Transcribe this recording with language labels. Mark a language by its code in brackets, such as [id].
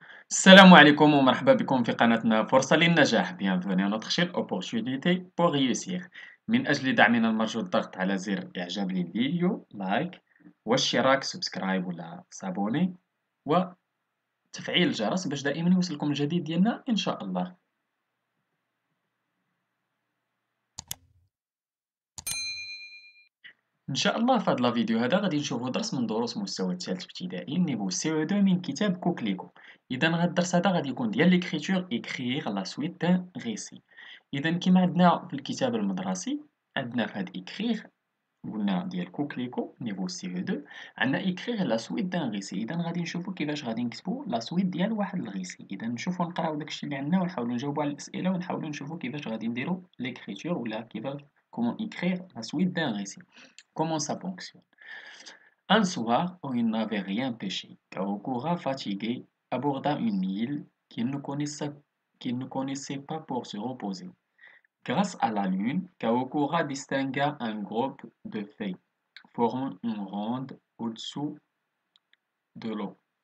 [ar] السلام عليكم ومرحبا بكم في قناتنا فرصة للنجاح. [fr] Bienvenue à notre chaîne Opportunité pour réussir. [ar] من أجل دعمنا المرجو الضغط على زر إعجاب للفيديو لايك واشتراك سبسكرايب ولا سابوني وتفعيل الجرس باش دائما يوصلكم الجديد ديالنا إن شاء الله. إن شاء الله في هذا الفيديو هذا غادي نشوفوا درس من دروس مستوى الثالث ابتدائي نيفو سي او 2 من كتاب كوكليكو. اذا هذا الدرس هذا غادي يكون ديال ليكريتور [fr] ايكريغ لا سويت دان ريسي. [ar] اذا كما عندنا في الكتاب المدرسي عندنا في هذا ايكريغ قلنا ديال كوكليكو نيفو سي او 2 عندنا [fr] ايكريغ لا سويت دان ريسي. [ar] اذا غادي نشوفوا كيفاش غادي نكتبوا لا سويت ديال واحد الريسي. اذا نشوفوا نقراوا داكشي اللي عندنا ونحاولوا نجاوبوا على الاسئله ونحاولوا نشوفوا كيفاش غادي نديروا ليكريتور ولا كيفاش [fr] كومون ايكريغ لا سويت دان ريسي. Comment ça fonctionne? Un soir où il n'avait rien pêché, Kaokura, fatigué, aborda une île qu'il ne connaissait pas pour se reposer. Grâce à la lune, Kaokura distingua un groupe de feuilles formant une ronde au-dessous de l'eau.